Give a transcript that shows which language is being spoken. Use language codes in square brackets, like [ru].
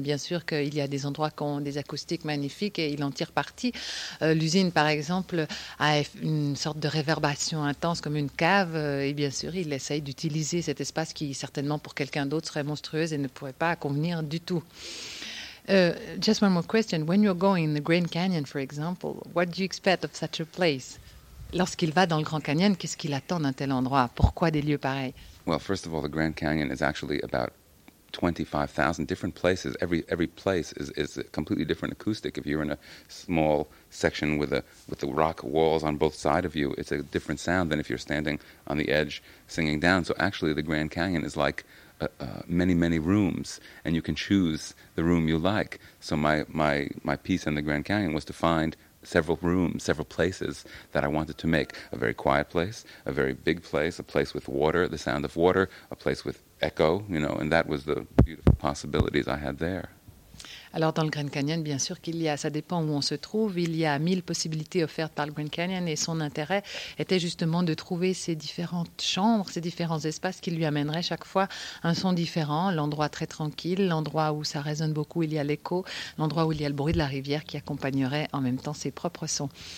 [fr] Bien sûr qu'il y a des endroits qui ont des acoustiques magnifiques et il en tire parti. L'usine, par exemple, a une sorte de réverbération intense comme une cave. Et bien sûr, il essaye d'utiliser cet espace qui, certainement, pour quelqu'un d'autre, serait monstrueux et ne pourrait pas convenir du tout. [en] Just one more question. When you're going in the Grand Canyon, for example, what do you expect of such a place? [fr] Lorsqu'il va dans le Grand Canyon, qu'est-ce qu'il attend d'un tel endroit? Pourquoi des lieux pareils? [en] Well, first of all, the Grand Canyon is actually about 25,000 different places. Every place is a completely different acoustic. If you're in a small section with the rock walls on both sides of you, it's a different sound than if you're standing on the edge singing down. So actually, the Grand Canyon is like many, many rooms, and you can choose the room you like. So my piece in the Grand Canyon was to find several rooms, several places that I wanted to make. A very quiet place, a very big place, a place with water, the sound of water, a place with echo, you know, and that was the beautiful possibilities I had there. [fr] Alors, dans le Grand Canyon, bien sûr qu'il y a, ça dépend où on se trouve, il y a 1000 possibilités offertes par le Grand Canyon et son intérêt était justement de trouver ces différentes chambres, ces différents espaces qui lui amèneraient chaque fois un son différent, l'endroit très tranquille, l'endroit où ça résonne beaucoup, il y a l'écho, l'endroit où il y a le bruit de la rivière qui accompagnerait en même temps ses propres sons.